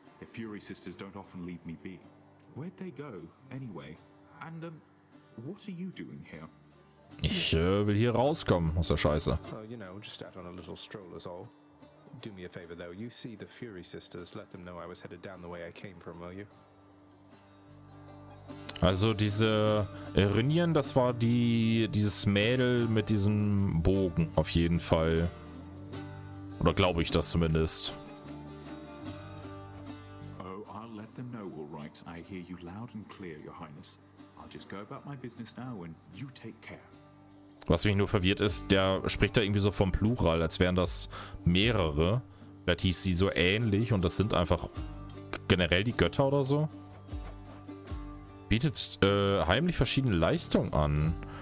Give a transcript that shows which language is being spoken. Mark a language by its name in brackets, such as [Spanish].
[English] The Fury sisters don't often leave me be. Where'd they go, anyway? And, what are you doing here? [German] Ich will hier rauskommen aus der Scheiße. [English] Oh, you know, just out on a little stroll is all. Do me a favor, though. You see the Fury sisters, let them know I was headed down the way I came from, will you? [German] Also diese Rinien, das war dieses Mädel mit diesem Bogen auf jeden Fall. Oder glaube ich das zumindest. [English] Oh, I'll let them know, all right. I hear you loud and clear, Your Highness. I'll just go about my business now and you take care. [German] Was mich nur verwirrt ist, der spricht da irgendwie so vom Plural, als wären das mehrere. Vielleicht hieß sie so ähnlich und das sind einfach generell die Götter oder so. Bietet heimlich verschiedene Leistungen an.